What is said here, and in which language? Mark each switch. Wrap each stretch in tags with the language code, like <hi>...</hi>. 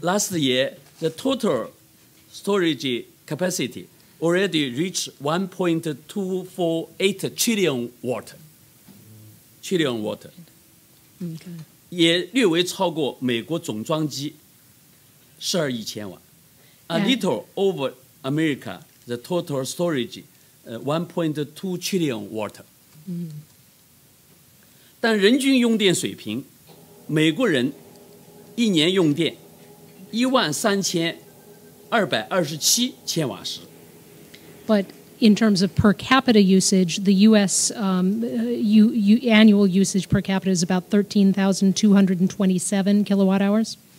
<en>last year, the total storage capacity already reached 1.248 trillion watt. Trillion watt. Okay.</en> <zh>也略微超过美国总装机12亿千瓦.</zh> <en>A little over America, the total storage, 1.2 trillion watt.</en> <zh>但人均用电水平，美国人一年用电 13,227千瓦时。</zh> <en>But in terms of per capita usage, the U.S. Annual usage per capita is about 13,227 kilowatt hours.</en>